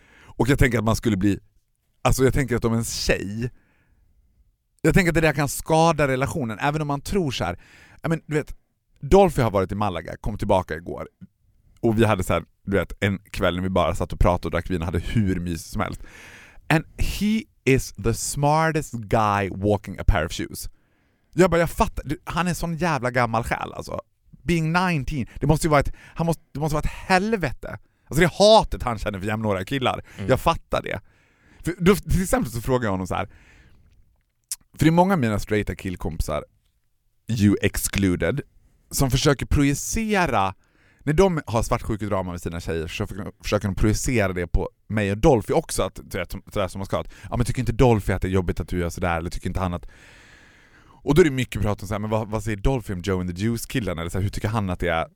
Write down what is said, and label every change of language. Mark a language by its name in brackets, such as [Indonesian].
[Swedish] Och jag tänker att man skulle bli, alltså jag tänker att om en tjej, jag tänker att det där kan skada relationen, även om man tror så här. Jag men du vet, Dolphy har varit i Malaga, kom tillbaka igår och vi hade så här, du vet, en kväll när vi bara satt och pratade och drack vin, hade hur mysigt som helst. [English] And he is the smartest guy walking a pair of shoes. [Swedish] Jag bara, jag fattar, han är sån jävla gammal själ alltså. [English] Being 19, [Swedish] det måste ju vara ett, han måste, det måste vara ett helvete. Alltså det hatet han känner för jämnåriga killar. Mm. Jag fattar det. För då, till exempel så frågar jag honom så här. För det är många av mina straighta killkompisar, [English] you excluded, [Swedish] som försöker projicera, när de har svartsjuka drama med sina tjejer, så försöker de projicera det på mig och Dolphy också, att sådär som man ska, att ja, men tycker inte Dolphy att det är jobbigt att du gör sådär, eller tycker inte han att, och då är det mycket prat om så här, men vad säger Dolphy om Joe and the Juice killen, eller så här, hur tycker han att det är?